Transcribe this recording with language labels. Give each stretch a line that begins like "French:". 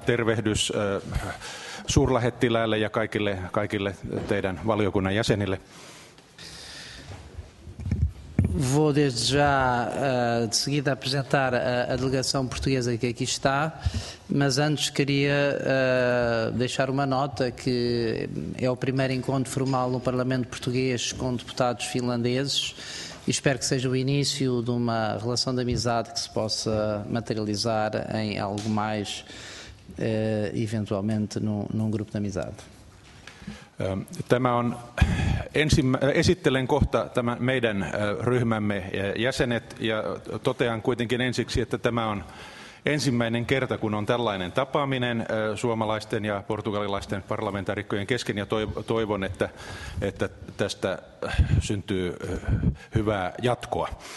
Finnish: Tervehdys suurlähettiläälle ja kaikille teidän valiokunnan jäsenille.
Portuguese: Vou desde já de seguida apresentar a delegação portuguesa que aqui está, mas antes queria deixar uma nota que é o primeiro encontro formal no Parlamento Português com deputados finlandeses e espero que seja o início de uma relação de amizade que se possa materializar em algo mais, eventualmente num grupo de amizade.
Finnish: Tämä on esittelen kohta tämän meidän ryhmämme jäsenet ja totean kuitenkin ensiksi, että tämä on ensimmäinen kerta, kun on tällainen tapaaminen suomalaisten ja portugalilaisten parlamentaarikkojen kesken ja toivon, että tästä syntyy hyvää jatkoa.